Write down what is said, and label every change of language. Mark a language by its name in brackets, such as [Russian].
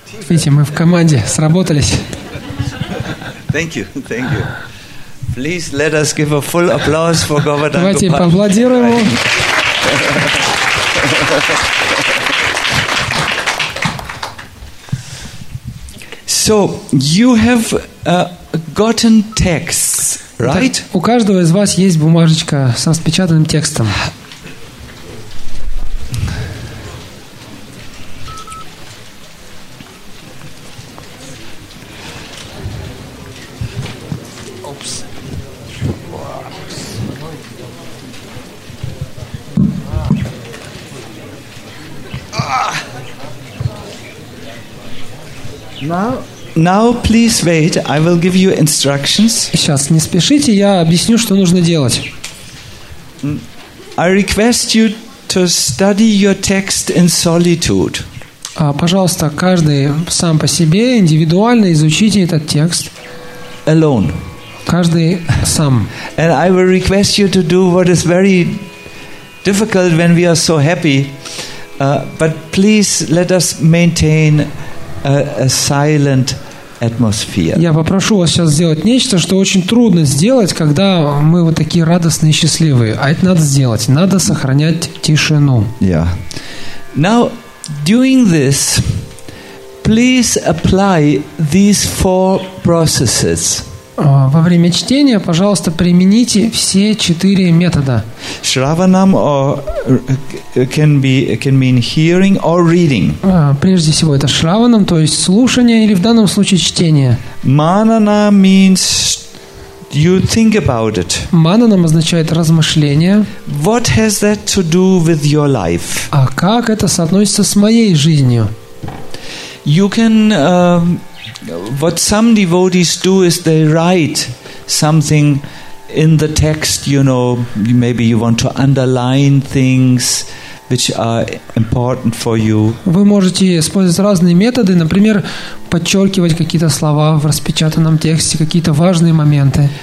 [Russian] Видите, мы в команде, сработались. [English] Thank you, thank you. Please let us give a full applause for Govardhan. [Russian] Давайте поаплодируем ему. [English] So you have gotten texts, right? [Russian] У каждого из вас есть бумажечка с распечатанным текстом. [English] Now, please wait. I will give you instructions. [Russian] Сейчас не спешите, я объясню, что нужно делать. [English] I request you to study your text in solitude. [Russian] Пожалуйста, каждый сам по себе индивидуально изучите этот текст. [English] Alone. [Russian] Каждый сам. [English] And I will request you to do what is very difficult when we are so happy. But please let us maintain a silent atmosphere. [Russian] Я попрошу вас сейчас сделать нечто, что очень трудно сделать, когда мы вот такие радостные и счастливые. А это надо сделать. Надо сохранять тишину. [English] Yeah. Now, doing this, please apply these four processes. [Russian] Во время чтения, пожалуйста, примените все четыре метода. [English] Shravanam or can mean hearing or reading. [Russian] Прежде всего это шраванам, то есть слушание или в данном случае чтение. [English] Манана means you think about it. [Russian] Мананам означает размышление. [English] What has that to do with your life? [Russian] А как это соотносится с моей жизнью? [English] You can what some devotees do is they write something in the text, you know, maybe you want to underline things which are important for you. [Russian] Вы можете использовать разные методы, например, подчеркивать какие-то слова в распечатанном тексте, какие-то важные моменты.